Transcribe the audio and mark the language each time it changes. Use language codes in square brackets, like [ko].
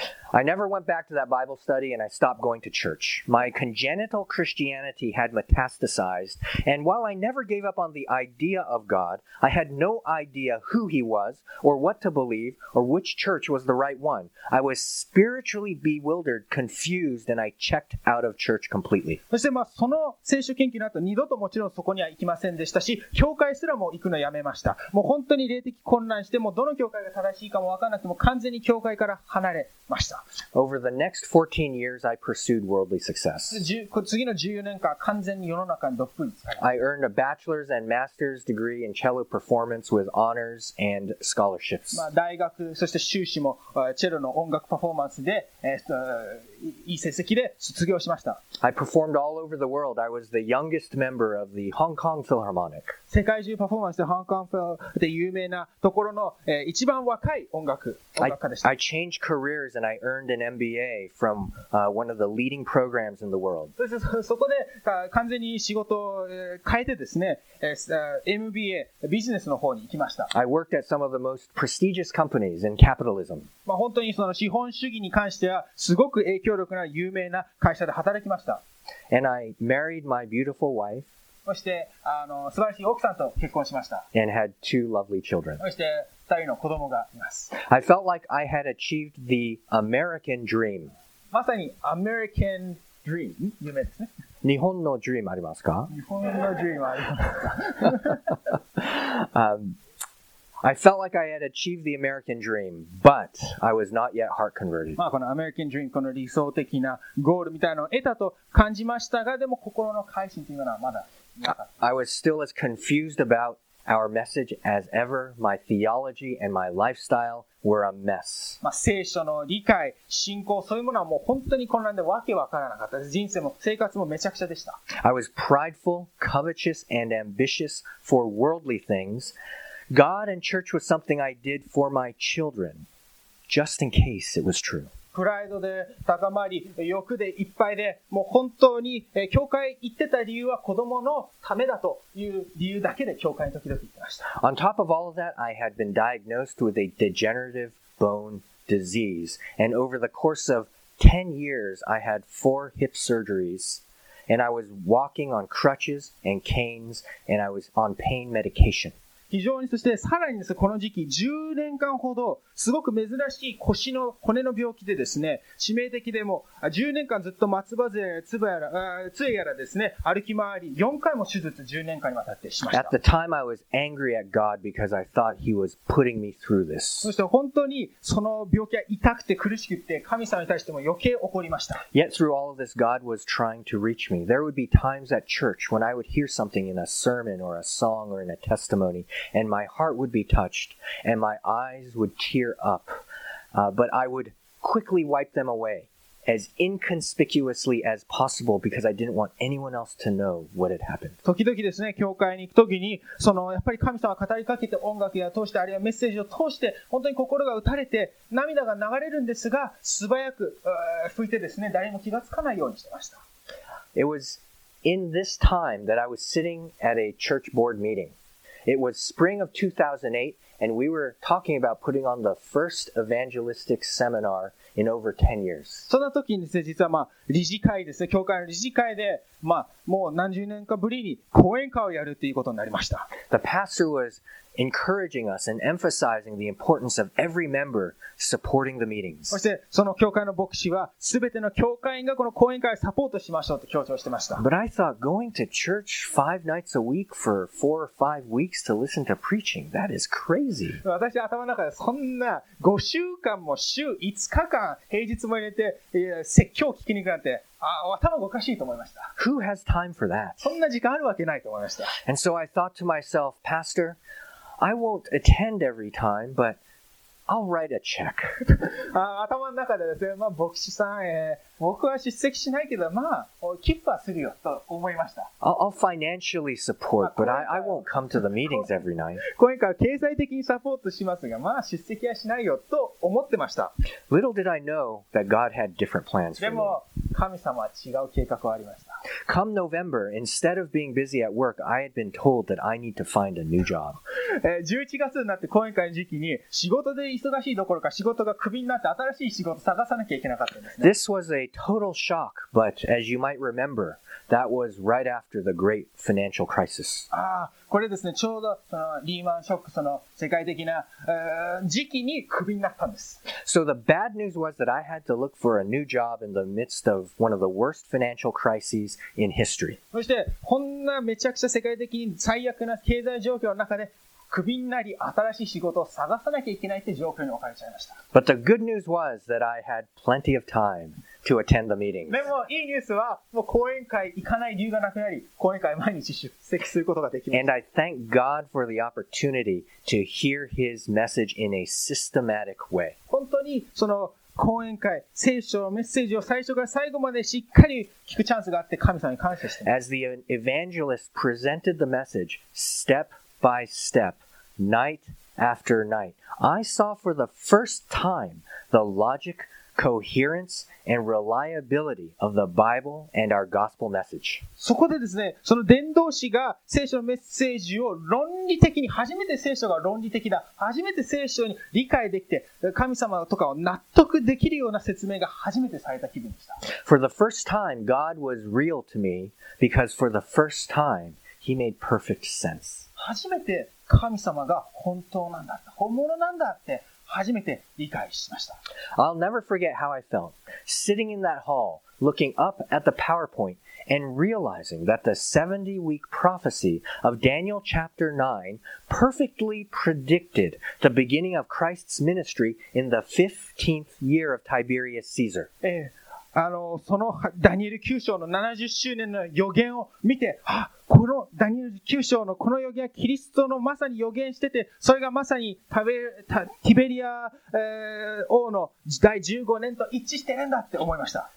[en] I never went back to that Bible study and I stopped going to church. My congenital Christianity had metastasized, and while I never gave up on the idea of God, I had no idea who He was, or what to believe, or which church was the right one. I was spiritually bewildered, confused, and I checked out of church completely. [ja] そしてまあその聖書研究の後、二度ともちろんそこには行きませんでしたし、教会すらも行くのやめました。もう本当に霊的混乱して、もうどの教会が正しいかも分からなくても完全に教会から離れました。 [en] Over the next 14 years, I pursued worldly success. [ja] 次の14年間、完全に世の中にどっぷり。 [en] I earned a bachelor's and master's degree in cello performance with honors and scholarships. [ja] まあ、大学、そして修士も、チェロの音楽パフォーマンスで、いい成績で卒業しました。 [en] I performed all over the world. I was the youngest member of the Hong Kong Philharmonic. [ja] 世界中パフォーマンスで、香港フィルで有名なところの、一番若い音楽家でした。 [en] I changed careers and I earned earned an MBA from、one of the leading programs in the world. [ja] そこで完全に仕事を変えてですね、MBA、ビジネスの方に行きました。 [en] I worked at some of the most prestigious companies in capitalism. [ja] まあ本当にその資本主義に関してはすごく影響力な有名な会社で働きました。 [en] And I married my beautiful wife. [ja] そしてあの素晴らしい奥さんと結婚しました。 [en] And had two lovely children. [ja] そして二人の子供がいます。 [en] I felt like I had achieved the American dream. [ja] まさに [en] American dream [ja] 夢ですね。日本の dream ありますか？日本の dream ありますか？ [en] I felt like I had achieved the American dream, but I was not yet heart converted. [ja] まあこの [en] American dream、 [ja] この理想的なゴールみたいなのを得たと感じましたが、でも心の改心というのはまだ。 [en] I was still as confused about our message as ever. My theology and my lifestyle were a mess. [ja] まあ、聖書の理解、信仰、そういうものはもう本当に混乱でわけわからなかった。人生も生活もめちゃくちゃでした。 [en] I was prideful, covetous, and ambitious for worldly things. God and church was something I did for my children, just in case it was true. [ja] プライドで高まり、欲でいっぱいで、もう本当に教会行ってた理由は子供のためだという理由だけで教会に時々行ってました。 [en] On top of all of that, I had been diagnosed with a degenerative bone disease. And over the course of 10 years, I had 4 hip surgeries. And I was walking on crutches and canes, and I was on pain medication. [ja] 非常にそしてさらにですこの時期10年間ほどすごく珍しい腰の骨の病気でですね致命的でも10年間ずっと松葉杖やつばやら杖やらですね歩き回り4回も手術10年間にわたってしました。 [en] At the time I was angry at God because I thought He was putting me through this. [ja] そして本当にその病気は痛くて苦しくて神様に対しても余計怒りました。 [en] Yet through all of this God was trying to reach me. There would be times at church when I would hear something in a sermon or a song or in a testimony. And my heart would be touched, and my eyes would tear up, but I would quickly wipe them away as inconspicuously as possible because I didn't want anyone else to know what had happened. [ja] 時々ですね、教会に行く時に、そのやっぱり神様語りかけて音楽や通してあるいはメッセージを通して本当に心が打たれて涙が流れるんですが、素早く拭いてですね、誰も気がつかないようにしてました。 [en] It was in this time that I was sitting at a church board meeting. It was spring of 2008, and we were talking about putting on the first evangelistic seminar in over 10 years. [ja] そんな時にですね、実はまあ理事会ですね、教会の理事会で、まあもう何十年かぶりに講演会をやるということになりました。 [en] The pastor was encouraging us and emphasizing the importance of every member supporting the meetings. [ja] そしてその教会の牧師は、すべての教会員がこの講演会をサポートしましょうと強調してました。 [en] But I thought going to church 5 nights a week for 4 or 5 weeks to listen to preaching, that is crazy. [ja] 私頭の中でそんな5週間も週5日間、平日も入れて説教を聞きに行くなんて、頭がおかしいと思いました。 [en] Who has time for that? [ja] そんな時間あるわけないと思いました。 [en] And so I thought to myself, Pastor,I won't attend every time, but I'll write a check. [ja] 頭の中でですね、まあ、牧師さんへ、僕は出席しないけど、まあ、寄付はするよと思いました。 [en] I'll financially support, but I won't come to the meetings every night. [ja] 今回は経済的にサポートしますが、まあ、出席はしないよと思ってました。 [en] Little did I know that God had different plans for me. [ja] でも、神様は違う計画がありました。 [en] Come November, instead of being busy at work, I had been told that I need to find a new job. [ja] 11月になって講演会の時期に仕事で忙しいどころか仕事がクビになって新しい仕事探さなきゃいけなかったんですね。 [en] This was a total shock, but as you might remember, that was right after the great financial crisis. [ja] これですね、ちょうどそのリーマンショック、その世界的な時期にクビになったんです。 [en] So the bad news was that I had to look for a new job in the midst of one of the worst financial crises. In history. [ja] そしてこんなめちゃくちゃ世界的に最悪な経済状況の中でクビになり新しい仕事を探さなきゃいけないって状況に置かれちゃいました。 [en] But the good news was that I had plenty of time to attend the meetings. [ja] でもいいニュースはもう講演会行かない理由がなくなり講演会毎日出席することができました。 [en] And I thank God for the opportunity to hear His message in a systematic way. [ja] 本当にその講演会、聖書のメッセージを最初から最後までしっかり聞くチャンスがあって神様に感謝してます。 [en] As the evangelist presented the message step by step, night after night, I saw for the first time the logic coherence and reliability of the Bible and our gospel message. [ja] そこでですね、その伝道師が聖書のメッセージを論理的に、初めて聖書が論理的だ、初めて聖書に理解できて、神様とかを納得できるような説明が初めてされた気分でした。 [en] For the first time, God was real to me because for the first time, He made perfect sense. [ja] 初めて神様が本当なんだって、本物なんだって、初めて理解しました。 [en] I'll never forget how I felt, sitting in that hall, looking up at the PowerPoint, and realizing that the 70-week prophecy of Daniel chapter 9 perfectly predicted the beginning of Christ's ministry in the 15th year of Tiberius Caesar. [ja] そのダニエル9章の70周年の予言を見て、このダニエル9章のこの予言はキリストのまさに予言してて、それがまさにティベリア、王の第15年と一致してるんだって思いました。